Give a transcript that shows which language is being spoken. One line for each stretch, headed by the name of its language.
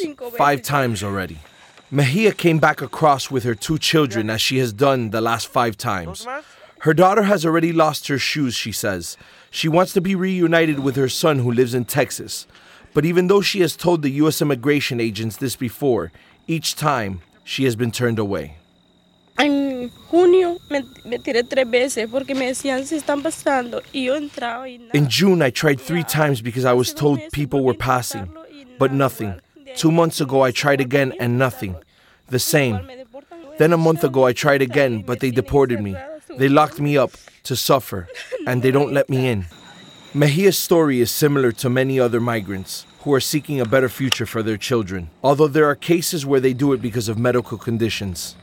English: 5 times already. Mejia came back across with her 2 children as she has done the last 5 times. Her daughter has already lost her shoes, she says. She wants to be reunited with her son who lives in Texas. But even though she has told the U.S. immigration agents this before, each time she has been turned away.
Spanish: En junio me tiré tres veces porque me decían se están pasando y yo entraba y nada.
English: In June I tried three times because I was told people were passing, but nothing. 2 months ago I tried again and nothing. The same. Then a month ago I tried again, but they deported me. They locked me up to suffer, and they don't let me in. Mejia's story is similar to many other migrants who are seeking a better future for their children, although there are cases where they do it because of medical conditions.